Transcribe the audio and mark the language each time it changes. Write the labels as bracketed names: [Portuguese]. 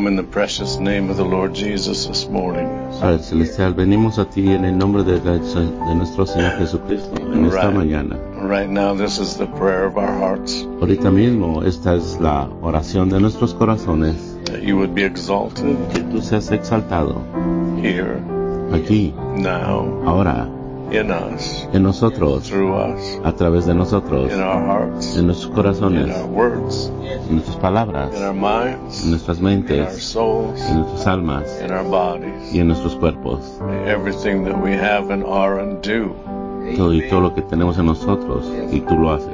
[English] Precious name of the Lord Jesus this morning. [Spanish] Padre celestial, venimos a ti en el nombre de nuestro Señor Jesucristo en esta mañana. [English] Right now, this is the prayer of our hearts. [Spanish] Ahorita mismo, esta es la oración de nuestros corazones. [English] That you would be exalted. [Spanish] Que tú seas exaltado. [English] Here. [Spanish] Aquí. [English] Now. [Spanish] Ahora. [English] In us. [Spanish] En nosotros. [English] Through us. [Spanish] A través de nosotros. [English] In our hearts. [Spanish] En nuestros corazones. [English] In our words. [Spanish] En nuestras palabras, [English] in our minds, [Spanish] en nuestras mentes, [English] in our souls, [Spanish] en nuestras almas, [English] in our bodies, [Spanish] y en nuestros cuerpos. [English] Everything that we have and are and do, [Spanish] todo y todo lo que tenemos en nosotros, y tú lo haces.